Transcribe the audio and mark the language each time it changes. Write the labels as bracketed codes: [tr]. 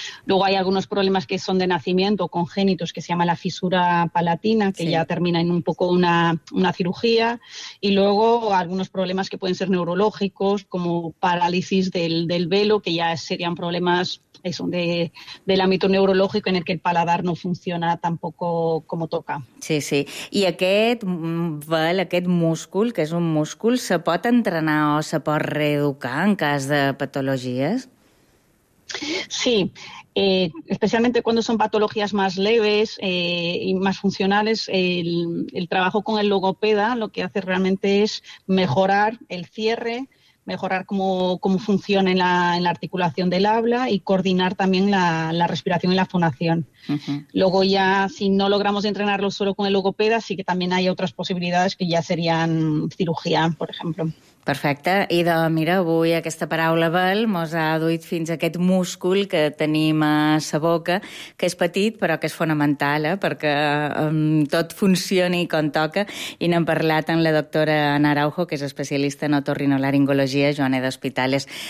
[es] Luego hay algunos problemas que son de nacimiento, congénitos, que se llama la fisura palatina, que sí, ya termina en un poco una cirugía. Y luego algunos problemas que pueden ser neurológicos, como parálisis del velo, que ya serían problemas eso, del ámbito neurológico, en el que el paladar no funciona tampoco como toca. Sí, sí. [ca] I aquest múscul, que és un múscul, se pot entrenar o se pot reeducar en cas de patologies? [es] Sí. Especialmente cuando son patologías más leves y más funcionales, el trabajo con el logopeda lo que hace realmente es mejorar el cierre, mejorar cómo funciona en la articulación del habla y coordinar también la respiración y la fonación. Uh-huh. Luego ya, si no logramos entrenarlo solo con el logopeda, sí que también hay otras posibilidades que ya serían cirugía, por ejemplo. [ca] Perfecte. Idò, mira, avui aquesta paraula, Bel, mos ha duit fins a aquest múscul que tenim a sa boca, que és petit però que és fonamental, perquè tot funcioni com toca. I n'hem parlat amb la doctora Ana Araujo, que és especialista en otorrinolaringologia, Joana d'Hospitales.